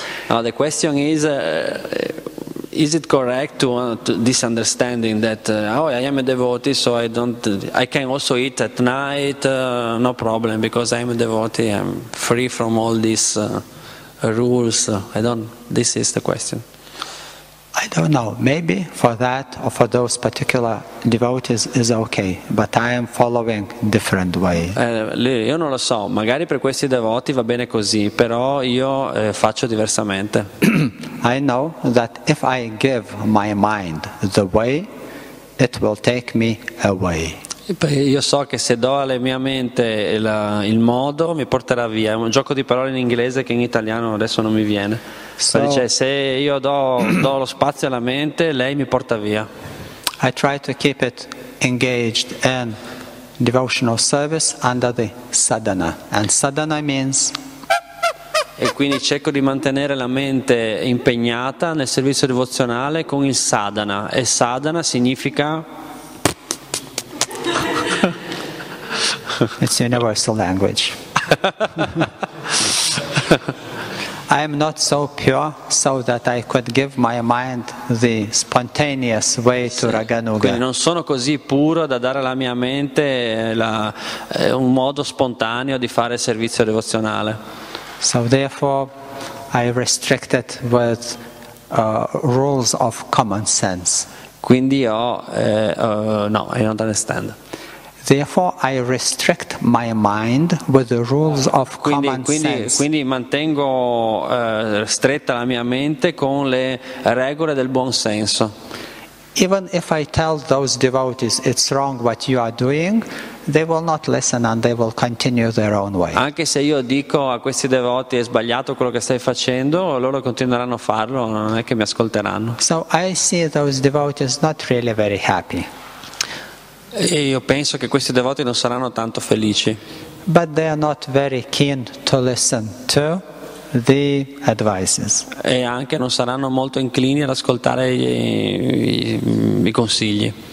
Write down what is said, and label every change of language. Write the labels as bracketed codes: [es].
[en] No, the question is it correct to this understanding that oh, I am a devotee, so I don't I can also eat at night, no problem because I am a devotee, I'm free from all these rules. I don't this is the question. I don't know. Maybe for that or for those particular devotees is okay, but I am following different way. [it] Io non lo so. Magari per questi devoti va bene così, però io faccio diversamente. [en] I know that if I give my mind the way, it will take me away. [it] Io so che se do alla mia mente il modo mi porterà via. È un gioco di parole in inglese che in italiano adesso non mi viene. So, dice, se io do lo spazio alla mente, lei mi porta via. [en] I try to keep it engaged in devotional service under the sadhana. And sadhana means... [it] E quindi cerco di mantenere la mente impegnata nel servizio devozionale con il sadhana. E sadhana significa... [en] It's universal language. I am not so pure so that I could give my mind the spontaneous way to Raganuga. [it] Quindi non sono così puro da dare alla mia mente un modo spontaneo di fare servizio devozionale. [en] So therefore I restrict it with rules of common sense. [it] Quindi ho no, [en] I don't understand. Therefore, I restrict my mind with the rules of common sense. [it] Quindi mantengo stretta la mia mente con le regole del buon senso. [en] Even if I tell those devotees it's wrong what you are doing, they will not listen and they will continue their own way. [it] Anche se io dico a questi devoti è sbagliato quello che stai facendo, loro continueranno a farlo, non è che mi ascolteranno. [en] So I see those devotees not really very happy. [it] E io penso che questi devoti non saranno tanto felici. [en] But they are not very keen to listen to the advices. [it] E anche non saranno molto inclini ad ascoltare i consigli.